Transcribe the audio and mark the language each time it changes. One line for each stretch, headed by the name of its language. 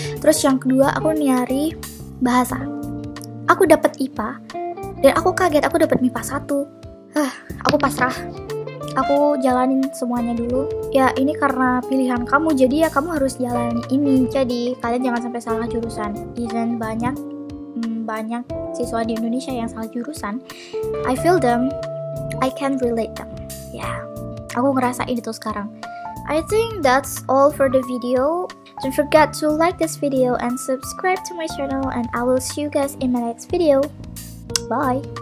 Indonesian: Terus yang kedua aku nyari bahasa. Aku dapat IPA dan aku kaget aku dapat MIPA 1. Aku pasrah. Aku jalanin semuanya dulu. Ya ini karena pilihan kamu, jadi ya kamu harus jalanin ini. Jadi kalian jangan sampai salah jurusan. Even banyak siswa di Indonesia yang salah jurusan.
English: I feel them, I can relate them.
Indonesian: Yeah, aku ngerasain itu sekarang.
English: I think that's all for the video. Don't forget to like this video and subscribe to my channel. And I will see you guys in my next video. Bye.